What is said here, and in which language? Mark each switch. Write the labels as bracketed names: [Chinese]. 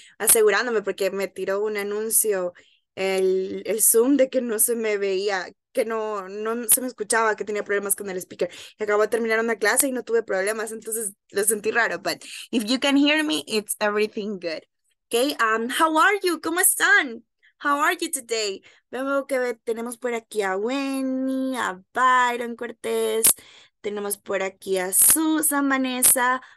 [Spanish] Asegurándome porque me tiró un anuncio el Zoom de que no se me veía, que no se me escuchaba, que tenía problemas con el speaker. Y acabo de terminar una clase y no tuve problemas, entonces lo sentí raro. [English] But if you can hear me, it's everything good. Ok, how are you? [Spanish] ¿Cómo están? [English] How are you today? [Spanish] Veo que tenemos por aquí a Wendy, a Byron Cortés, tenemos por aquí a Susan Vanessa.